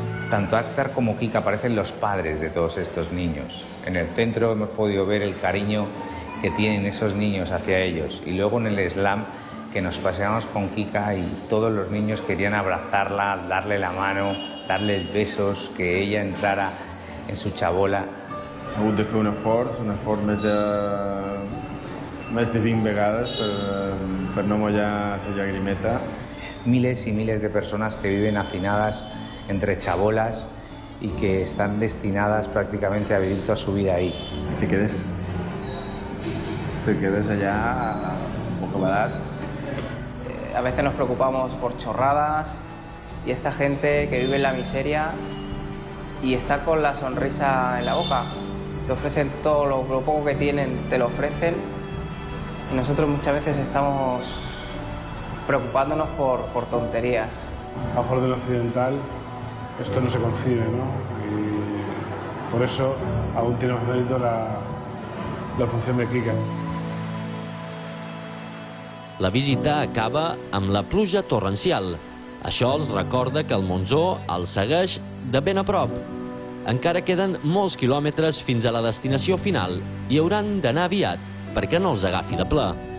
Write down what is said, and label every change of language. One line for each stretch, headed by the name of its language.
Spanish: Tanto Akhtar como Kika parecen los padres de todos estos niños. En el centro hemos podido ver el cariño que tienen esos niños hacia ellos. Y luego en el slam que nos paseamos con Kika y todos los niños querían abrazarla, darle la mano, darle besos, que ella entrara en su chabola.
Catalan: He hagut de fer un esforç més de 20 vegades per no mullar la llagrimeta. Miles i miles de persones que
Spanish: viven hacinades entre chabolas
Catalan: i que estan destinades pràcticament a vivir tota la seva vida ahí. Te quedes allà a poca edat.
Spanish: A veces nos preocupamos por chorradas y esta gente que vive en la miseria y está con la sonrisa en la boca. Te ofrecen todo lo poco que tienen, te lo ofrecen. Y nosotros muchas veces estamos preocupándonos por tonterías. A favor del occidental, esto no se concibe, ¿no? Y por eso aún tenemos mérito la función de Kika.
Catalan: La visita acaba amb la pluja torrencial. Això els recorda que el monsó els segueix de ben a prop. Encara queden molts quilòmetres fins a la destinació final i hauran d'anar aviat perquè no els agafi de ple.